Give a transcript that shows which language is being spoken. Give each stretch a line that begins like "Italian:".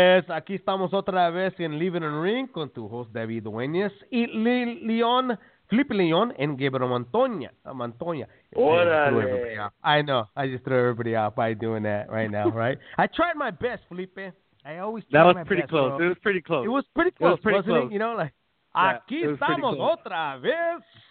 Spanish: aquí estamos otra vez en Living in Ring con tu host David Dueñez y León, Felipe León en Guerrero Montoña. Órale.
English: I know, I just threw everybody off by doing that right now, right? I tried my best, Felipe. I always try my best. That was pretty close. It was pretty close. It was pretty close, wasn't it? You know, like, yeah,
Spanish: aquí estamos otra vez.